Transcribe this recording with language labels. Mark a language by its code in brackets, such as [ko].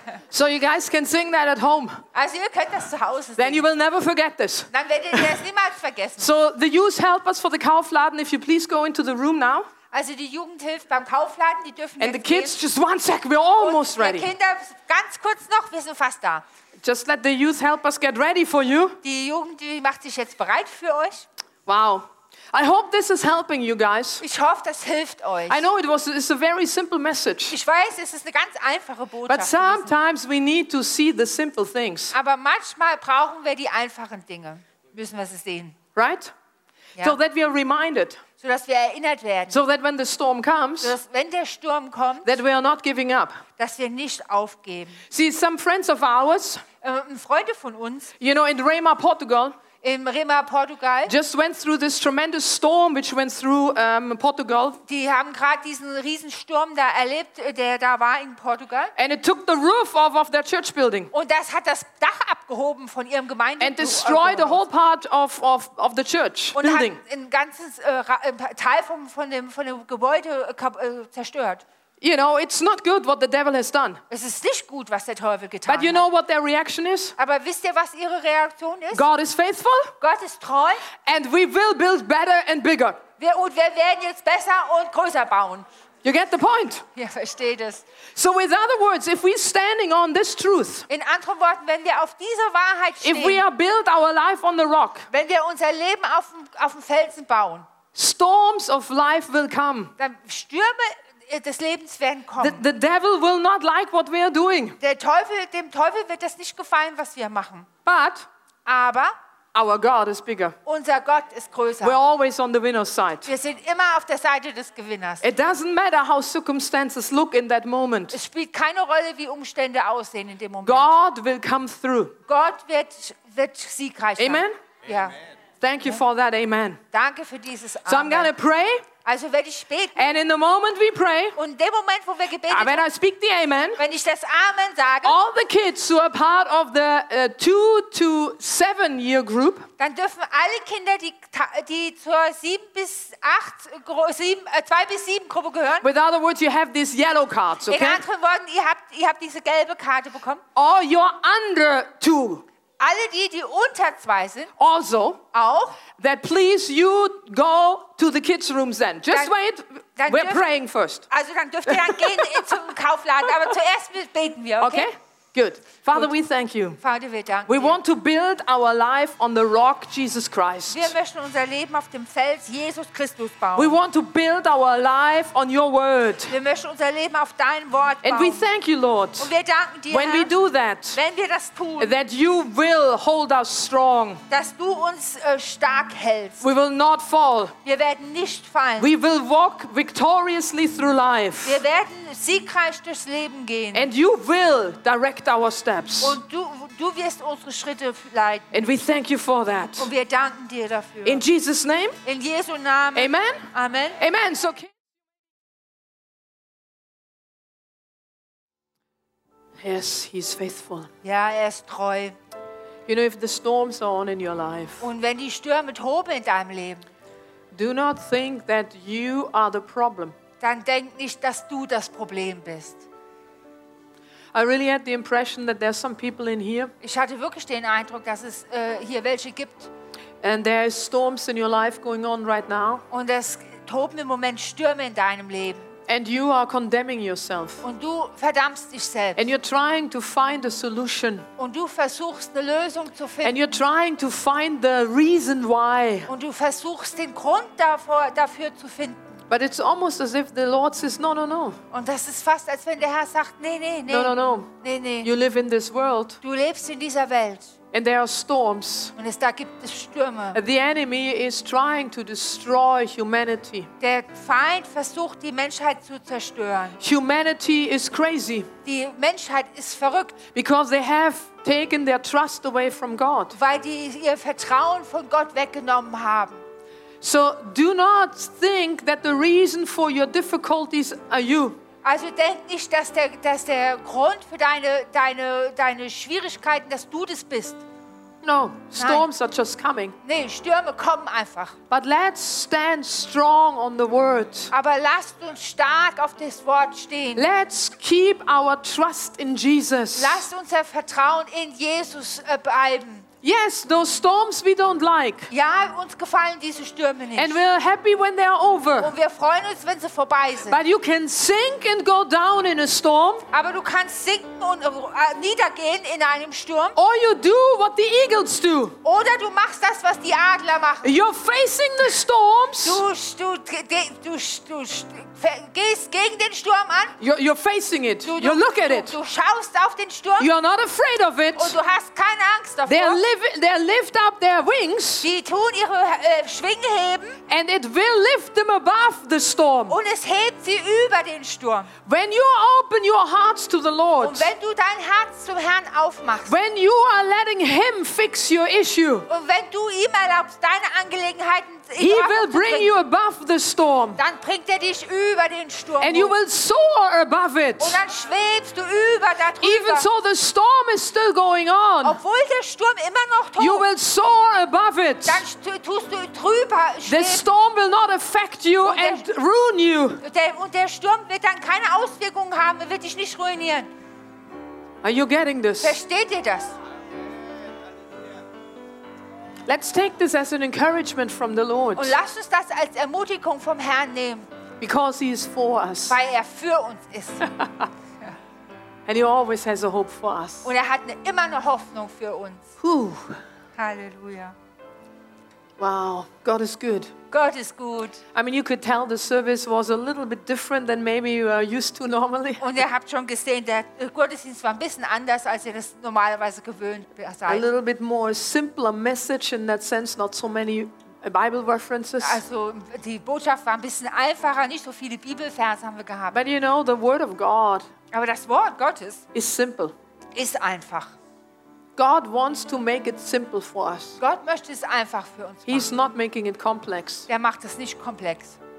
[en] So you guys can sing that at home. [de] Also ihr könnt das zu Hause singen. [en] Then you will never forget this. [de] Dann werdet ihr das niemals vergessen. [en] So the youth help us for the Kaufladen, if you please go into the room now. [de] Also die Jugend hilft beim Kaufladen, die dürfen [en] and the kids, [de] gehen. [en] Just one sec, we're almost ready. [de] Und die Kinder, ganz kurz noch, wir sind fast da. [en] Just let the youth help us get ready for you. [de] Die Jugend, die macht sich jetzt bereit für euch. [en] Wow. I hope this is helping you guys. [de] Ich hoffe, das hilft euch. [en] I know it's a very simple message. [de] Ich weiß, es ist eine ganz einfache Botschaft. [en] But sometimes we need to see the simple things. [de] Aber manchmal brauchen wir die einfachen Dinge. Müssen wir sie sehen. [en] Right? [de] Ja. [en] So that we are reminded. [de] So dass wir erinnert werden. [en] So that when the storm comes, [de] so dass, wenn der Sturm kommt, [en] that we are not giving up. [de] Dass wir nicht aufgeben. [en] See, some friends of ours, [de] Freunde von uns, [en] you know, in Rema, Portugal, [de] im Rema, Portugal, [en] just went through this tremendous storm which went through Portugal. [de] Die haben gerade diesen riesen Sturm da erlebt, der da war in Portugal. [en] And it took the roof off of their church building. [de] Und das hat das Dach abgehoben von ihrem Gemeindebau. [en] And destroyed the whole part of the church building. [de] Und hat ein ganzes Teil von dem Gebäude zerstört. [en] You know, it's not good what the devil has done. [de] Es ist nicht gut, was der Teufel getan hat. [en] But you know what their reaction is? [de] Aber wisst ihr, was ihre Reaktion ist? [en] God is faithful. [de] Gott ist treu. [en] And we will build better and bigger. [de] Wir werden jetzt besser und größer bauen. [en] You get the point? [de] Ja, versteht es. [en] So with other words, if we're standing on this truth. [de] In anderen Worten, wenn wir auf dieser Wahrheit stehen. [en] If we are build our life on the rock. [de] Wenn wir unser Leben auf dem Felsen bauen. [en] Storms of life will come. [de] Dann Stürme des Lebens werden kommen. [en] The devil will not like what we are doing. [de] Dem Teufel wird das nicht gefallen, was wir machen. [en] But [de] aber [en] our God is bigger. [de] Unser Gott ist größer. [en] We're always on the winner's side. [de] Wir sind immer auf der Seite des Gewinners. [en] It doesn't matter how circumstances look in that moment. [de] Es spielt keine Rolle, wie Umstände aussehen in dem Moment. [en] God will come through. [de] Gott wird siegreich sein. [en] Amen. [de] Ja. [en] Thank you for that. Amen. [de] Danke für dieses Amen. [en] So I'm gonna pray. [de] Also werde ich beten. [en] And in the moment we pray. [de] Und dem Moment, wo wir gebetet [en] haben. When I speak the Amen. [de] Wenn ich das Amen sage. [en] All the kids who are part of the 2 to 7 year group. [de] Dann dürfen alle Kinder, die zur 2 bis 7 Gruppe gehören. [en] With other words, you have these yellow cards. Okay? [de] In anderen Worten, ihr habt diese gelbe Karte bekommen. [en] All your under 2. [de] Alle die unter 2 sind, also, auch, [en] that please you go to the kids' rooms then. Just [de] dann, [en] wait, [de] dann [en] we're praying first. [de] Also dann dürft ihr dann gehen zum Kaufladen, aber zuerst beten wir, okay? [en] Okay, good. Father, [de] gut. [en] We thank you. [de] Vater, wir danken. [en] We want to build our life on the rock, Jesus Christ. [de] Wir möchten unser Leben auf dem Fels, Jesus Christus, bauen. [en] We want to build our life on your word. [de] Wir möchten unser Leben auf dein Wort bauen. [en] And we thank you, Lord. [de] Und wir danken dir, [en] when [de] Herr, [en] we do that, [de] wenn wir das tun, [en] that you will hold us strong. [de] Dass du uns stark hältst. [en] We will not fall. [de] Wir werden nicht fallen. [en] We will walk victoriously through life. [de] Wir werden siegreich durchs Leben gehen. [en] And you will direct our steps. [de] Und du wirst unsere Schritte leiten. [en] And we thank you for that. [de] Und wir danken dir dafür. [en] In Jesus' name. [de] In Jesu Namen. [en] Amen. Amen. Amen. So, yes, he's faithful. [de] Ja, er ist treu. [en] You know, if the storms are on in your life. [de] Und wenn die Stürme toben in deinem Leben. [en] Do not think that you are the problem. [de] Dann denk nicht, dass du das Problem bist. [en] I really had the impression that there's some people in here. [de] Ich hatte wirklich den Eindruck, dass es hier welche gibt. [en] And there are storms in your life going on right now. [de] Und es toben im Moment Stürme in deinem Leben. [en] And you are condemning yourself. [de] Und du verdammst dich selbst. [en] And you're trying to find a solution. [de] Und du versuchst eine Lösung zu finden. [en] And you're trying to find the reason why. [de] Und du versuchst den Grund dafür zu finden. [en] But it's almost as if the Lord says, no, no, no. [de] Und das ist fast, als wenn der Herr sagt, nee, nee, nee. [en] No, no, no. [de] Nee, nee. [en] You live in this world. [de] Du lebst in dieser Welt. [en] And there are storms. [de] Und da gibt es Stürme. [en] The enemy is trying to destroy humanity. [de] Der Feind versucht, die Menschheit zu zerstören. [en] Humanity is crazy. [de] Die Menschheit ist verrückt. [en] Because they have taken their trust away from God. [de] Weil die ihr Vertrauen von Gott weggenommen haben. [en] So do not think that the reason for your difficulties are you. [de] Also denk nicht, dass der Grund für deine Schwierigkeiten, dass du das bist. [en] No, storms are just coming. [de] Nee, Stürme kommen einfach. [en] But let's stand strong on the word. [de] Aber lasst uns stark auf das Wort stehen. [en] Let's keep our trust in Jesus. [de] Lasst unser Vertrauen in Jesus bleiben. [en] Yes, those storms we don't like. [de] Ja, uns gefallen diese Stürme nicht. [en] And we're happy when they are over. [de] Und wir freuen uns, wenn sie vorbei sind. [en] But you can sink and go down in a storm. [de] Aber du kannst sinken und niedergehen in einem Sturm. [en] Or you do what the eagles do. [de] Oder du machst das, was die Adler machen. [en] You're facing the storms. [de] Du gehst gegen den Sturm an. [en] You're facing it. You look at it. [de] Du schaust auf den Sturm. [en] You're not afraid of it. [de] Und du hast keine Angst davor. [en] They lift up their wings. [de] Sie tun ihre Schwingen heben. [en] And it will lift them above the storm. [de] Und es hebt sie über den Sturm. [en] When you open your hearts to the Lord. [de] Und wenn du dein Herz zum Herrn aufmachst. [en] When you are letting Him fix your issue. [de] Und wenn du ihm erlaubst, deine Angelegenheiten. [en] He will bring you above the storm. [de] Dann bringt er dich über den Sturm. [en] And you will soar above it. [de] Und dann schwebst du über darüber. [en] Even so, the storm is still going on. [de] Obwohl der Sturm immer noch tobt. [en] You will soar above it. [de] Dann tust du drüber schweben. [en] The storm will not affect you and ruin you. [de] Und der Sturm wird dann keine Auswirkungen haben. Er wird dich nicht ruinieren. [en] Are you getting this? [de] Versteht ihr das? [en] Let's take this as an encouragement from the Lord. [de] Und lasst uns das als Ermutigung vom Herrn nehmen. [en] Because He is for us. [de] Weil er für uns ist. [en] And He always has a hope for us. [de] Und er hat immer eine Hoffnung für uns. Whew. Halleluja. [en] Wow, God is good. God is good. I mean, you could tell the service was a little bit different than maybe you are used to normally. [de] Und ihr habt schon gesehen, der Gottesdienst war ein bisschen anders, als ihr das normalerweise gewöhnt seid. [en] A little bit more simpler message in that sense, not so many Bible references. [de] Also die Botschaft war ein bisschen einfacher, nicht so viele Bibelverse haben wir gehabt. [en] But you know, the Word of God. [de] Aber das Wort Gottes [en] is simple. [de] Ist einfach. [en] God wants to make it simple for us. [de] Gott möchte es einfach für uns machen. [en] He's not making it complex. [de] Er macht es nicht komplex.